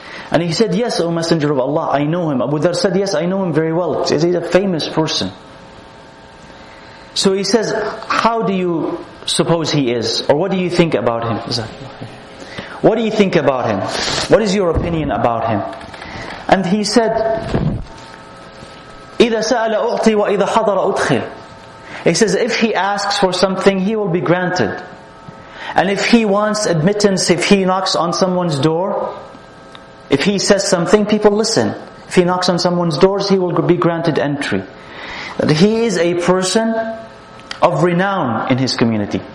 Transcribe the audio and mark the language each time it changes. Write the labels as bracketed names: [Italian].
[English] And he said, yes, O Messenger of Allah, I know him. Abu Dharr said, yes, I know him very well. He's a famous person. So he says, how do you suppose he is? Or what do you think about him? What do you think about him? What is your opinion about him? And he said, [Arabic] إِذَا سَأَلَ أُعْطِي وَإِذَا حَضَرَ أُدْخِلْ. [English] He says, if he asks for something, he will be granted. And if he wants admittance, if he knocks on someone's door, if he says something, people listen. If he knocks on someone's doors, he will be granted entry. But he is a person of renown in his community.